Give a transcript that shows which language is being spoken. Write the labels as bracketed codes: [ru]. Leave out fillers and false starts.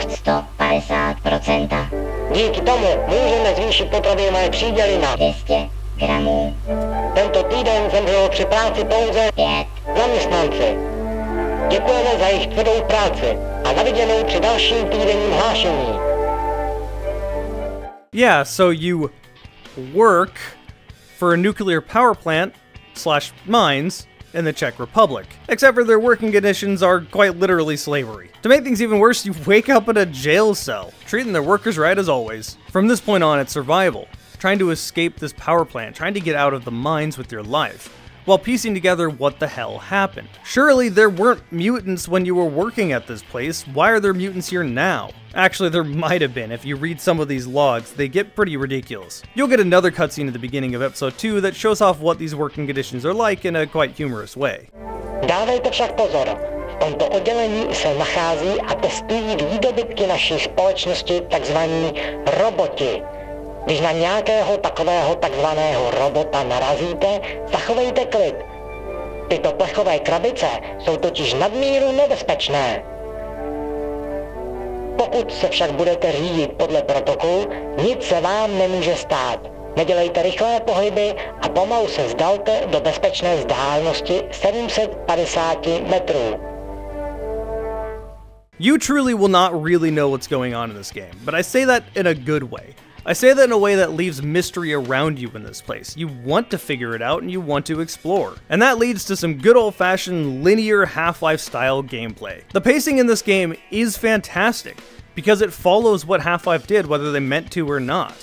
[cs] 150%. Díky tomu můžeme zvýšit potravinové příděly na 200 gramů. Tento týden zemřelo při práci pouze 5 zaměstnanci. Děkujeme za jejich tvrdou práci a naviděnou při dalším týdenním hlášení. [en] Yeah, so you work for a nuclear power plant / mines in the Czech Republic. Except for their working conditions are quite literally slavery. To make things even worse, you wake up in a jail cell, treating their workers right as always. From this point on, it's survival, trying to escape this power plant, trying to get out of the mines with your life, while piecing together what the hell happened. Surely there weren't mutants when you were working at this place. Why are there mutants here now? Actually, there might have been. If you read some of these logs, they get pretty ridiculous. You'll get another cutscene at the beginning of episode 2 that shows off what these working conditions are like in a quite humorous way. [cs] Dávejte však pozor. V tomto oddělení se nachází a testují výdobytky naší společnosti, takzvaní roboti. Když na nějakého takového takzvaného robota narazíte, zachovejte klid. Tyto plechové krabice jsou totiž nadmíru nebezpečné. Pokud se však budete řídit podle protokolu, nic se vám nemůže stát. Nedělejte rychlé pohyby a pomalu se vzdalte do bezpečné vzdálenosti 750 metrů. [en] You truly will not really know what's going on in this game, but I say that in a good way. I say that in a way that leaves mystery around you in this place. You want to figure it out and you want to explore. And that leads to some good old-fashioned linear Half-Life style gameplay. The pacing in this game is fantastic because it follows what Half-Life did whether they meant to or not.